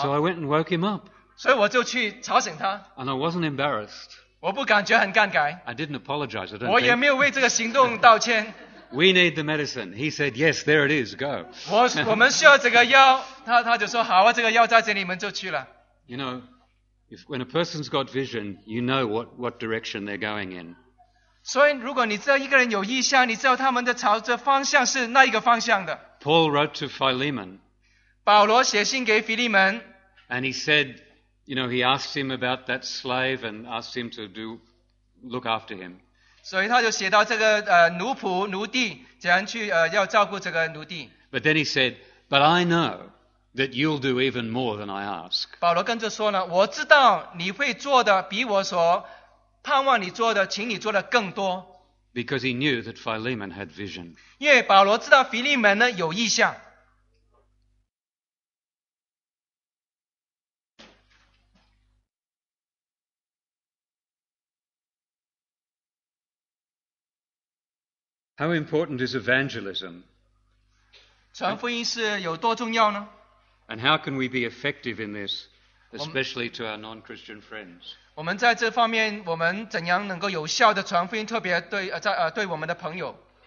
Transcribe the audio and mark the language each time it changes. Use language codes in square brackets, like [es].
[en] So I went and woke him up. [zh] 所以我就去吵醒他。 [en] And I wasn't embarrassed. [zh] 我不感觉很尴尬。 [en] I didn't apologize. I don't. [zh] 我也没有为这个行动道歉。 [en] We need the medicine. He said, "Yes, there it is. Go." [zh] 我们需要这个药。他就说好啊，这个药在这里，你们就去了。 [en] You know, if when a person's got vision, you know what direction they're going in. [zh] 所以如果你知道一个人有异象，你知道他们的朝着方向是那一个方向的。 [en] Paul wrote to Philemon. [zh] 保罗写信给腓利门。 [en] And he said, you know, he asked him about that slave and asked him to do look after him. [zh] 所以他就写到这个奴仆奴隶怎样去要照顾这个奴隶。 [en] But then he said, but I know that you'll do even more than I ask. [zh] 保罗跟着说呢，我知道你会做的比我所盼望你做的，请你做的更多。 [en] Because he knew that Philemon had vision. [zh] 因为保罗知道腓利门呢有异象。 [en] How important is evangelism? [zh] 传福音是有多重要呢？ [en] And how can we be effective in this, especially to our non-Christian friends? [zh] 我们在这方面，我们怎样能够有效的传福音，特别对我们的朋友？